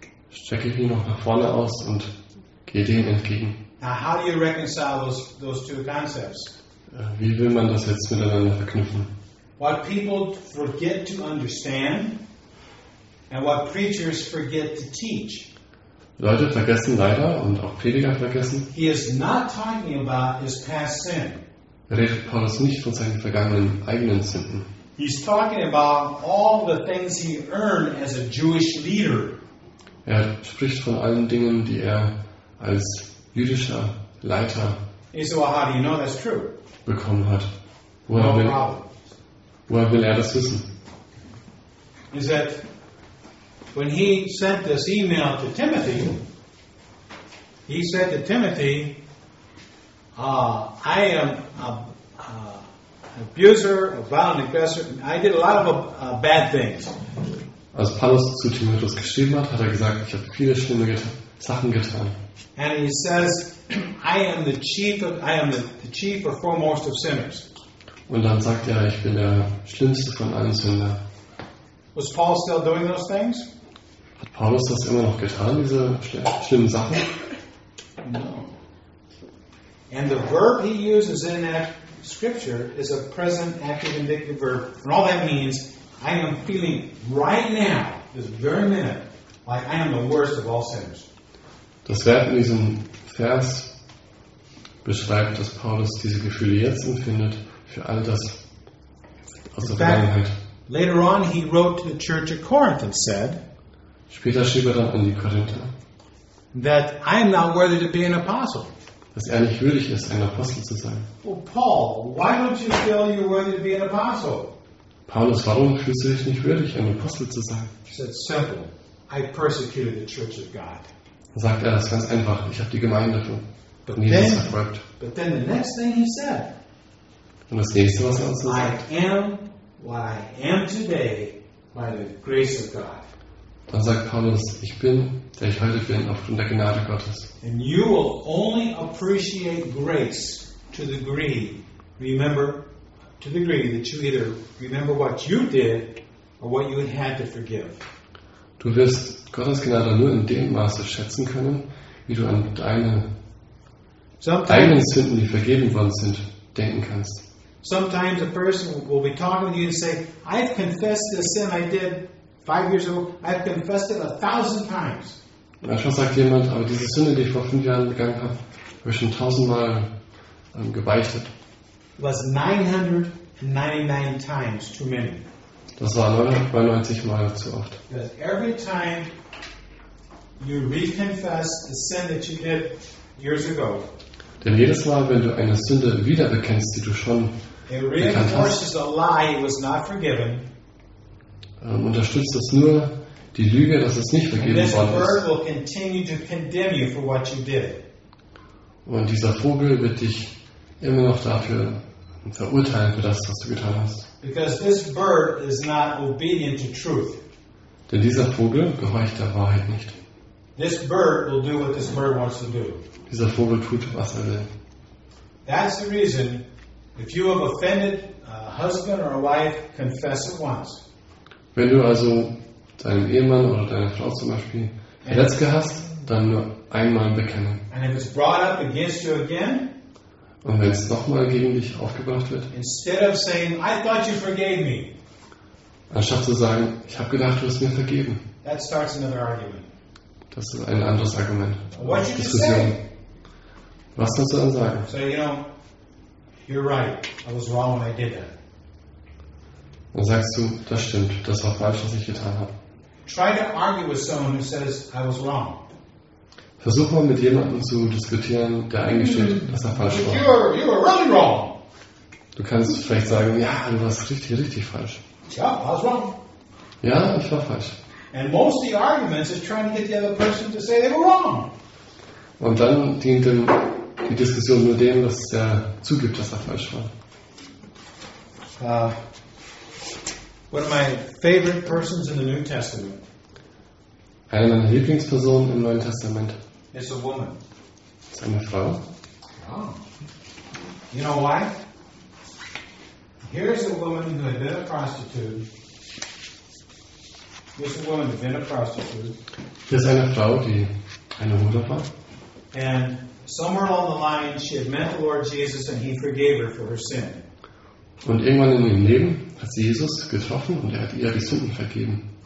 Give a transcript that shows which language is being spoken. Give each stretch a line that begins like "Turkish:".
German: Strecke ich ihn noch nach vorne aus und gehe dem entgegen.
English: Now how do you reconcile those two concepts?
German: Wie will man das jetzt miteinander verknüpfen?
English: What people forget to understand and what preachers forget to teach.
German: Leute vergessen leider und auch Prediger vergessen.
English: He is not talking about his past sin.
German: Redet Paulus nicht von seinen vergangenen eigenen Sünden.
English: He's talking about all the things he earned as a Jewish leader.
German: Er spricht von allen Dingen, die er als jüdischer Leiter bekommen hat. Woher will er das wissen?
English: Is that when he sent this email to Timothy, he said to Timothy, I am abuser, a violent aggressor. I did a lot of bad things.
German: Als Paulus zu Timotheus geschrieben hat, hat er gesagt, ich habe viele schlimme Sachen getan.
English: And he says, I am the chief or foremost of sinners.
German: Und dann sagt er, ich bin der schlimmste von allen Sündern.
English: Was Paul still doing those things?
German: Hat Paulus das immer noch getan, diese schlimmen Sachen?
English: No. And the verb he uses in that scripture is a present active indicative verb. And all that means, I am feeling right now, this very minute, like I am the worst of all sinners.
German: Das Verb in diesem Vers beschreibt, dass Paulus diese Gefühle jetzt empfindet für all das aus der Vergangenheit.
English: Later on, he wrote to the church at Corinth and said,
German: später schrieb er dann an die Korinther,
English: that I am not worthy to be an apostle.
German: Dass er nicht würdig ist, ein Apostel zu sein.
English: Well, Paul, why don't you feel you're worthy to be an apostle?
German: Paulus, warum fühlst du dich nicht würdig, ein Apostel zu sein?
English: He said, simple. I persecuted the church of God.
German: Sagt er das ganz einfach. Ich habe die Gemeinde von Jesus verfolgt.
English: But then the next thing he said,
German: und das nächste, was er uns sagt,
English: I am what I am today by the grace of God.
German: Dann sagt Paulus, ich bin, der ich heute bin, aufgrund der Gnade Gottes.
English: And you will only appreciate grace to the degree, remember, to the degree that you either remember what you did or what you had to forgive.
German: Du wirst Gottes Gnade nur in dem Maße schätzen können, wie du an deine eigenen Sünden, die vergeben worden sind, denken kannst.
English: Sometimes a person will be talking to you and say, I've confessed the sin I did 5 years ago, I've confessed it 1,000 times.
German: Manchmal sagt jemand, aber diese Sünde, die ich vor 5 Jahren begangen habe, habe ich schon 1,000 Mal gebeichtet.
English: Was 999 times too many.
German: Das war 99 Mal zu oft.
English: Because every time you reconfess the sin that you did years ago,
German: denn jedes Mal, wenn du eine Sünde wieder bekennst, die du schon bekannt hast,
English: a lie, it was not forgiven,
German: unterstützt das nur die Lüge, dass es nicht vergeben
English: and this
German: worden
English: bird
German: ist.
English: Will continue to condemn you for what you did.
German: Und dieser Vogel wird dich immer noch dafür verurteilen für das, was du getan hast.
English: Because this bird is not obedient to truth.
German: Denn dieser Vogel gehorcht der Wahrheit nicht.
English: This bird will do what this bird wants to do.
German: Dieser Vogel tut, was er will.
English: That's the reason, if you have offended a husband or a wife, confess it once.
German: Wenn du also deinem Ehemann oder deiner Frau zum Beispiel verletzt hast, dann nur einmal bekennen.
English: And if it's brought up against you again,
German: und wenn es nochmal gegen dich aufgebracht wird,
English: instead of saying, I thought you forgave me,
German: anstatt zu sagen, ich habe gedacht, du hast mir vergeben,
English: that starts another argument.
German: Das ist ein anderes Argument.
English: What should you say?
German: Was sollst du dann sagen?
English: So, you know, you're right. I was wrong when I did that.
German: Dann sagst du, das stimmt, das war falsch, was ich getan habe.
English: Try to argue with someone who says, I was wrong.
German: Versuch mal mit jemandem zu diskutieren, der eingesteht, dass er falsch war.
English: You were really wrong.
German: Du kannst vielleicht sagen, ja, du warst richtig, richtig falsch.
English: Yeah, I was wrong.
German: Ja, ich war falsch.
English: And most of the arguments is trying to get the other person to say they were wrong.
German: Und dann dient die Diskussion nur dem, dass der zugibt, dass er falsch war.
English: One of my favorite persons in the New Testament.
German: Eine meiner Lieblingspersonen im Neuen Testament.
English: It's a woman.
German: Ist eine Frau.
English: Oh. You know why? Here's a woman who had been a prostitute. This woman had been a prostitute.
German: Hier ist eine Frau, die eine Hure war.
English: And somewhere along the line, she had met the Lord Jesus, and He forgave her for her sin.
German: Und irgendwann in ihrem Leben hat sie Jesus getroffen und er hat ihr die Sünden vergeben.